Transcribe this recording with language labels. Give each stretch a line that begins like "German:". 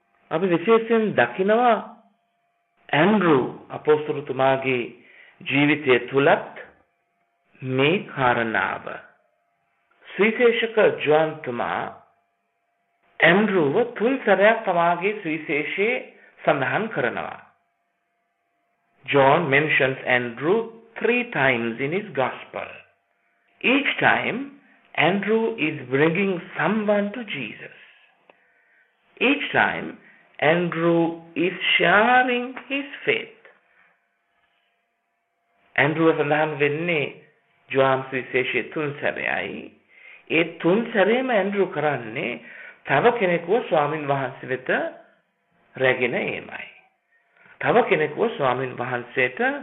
Sinhala: අපි විශේෂයෙන් දකිනවා ඇන්ඩ්‍රු අපෝස්තුලතුමාගේ ජීවිතය තුළත් මේ කාරණාව. සුවිශේෂක ජුවාන්තුමා ඇන්ඩ්‍රුව තුන්සරයක් තමාගේ සුවිශේෂයේ සඳහන් කරනවා.
English: John mentions Andrew 3 times in his gospel. Each time, Andrew is bringing someone to Jesus. Each time, Andrew is sharing his faith.
Sinhala: Andrew සඳහන් වෙන්නේ ජෝන් සුවිශේෂයේ තුන්සරයයි. ඒ තුන්සරේම Andrew කරන්නේ තව කෙනෙකුව ස්වාමින් වහන්සේ වෙත රැගෙන ඒමයි. තව කෙනෙකුව ස්වාමින් වහන්සේට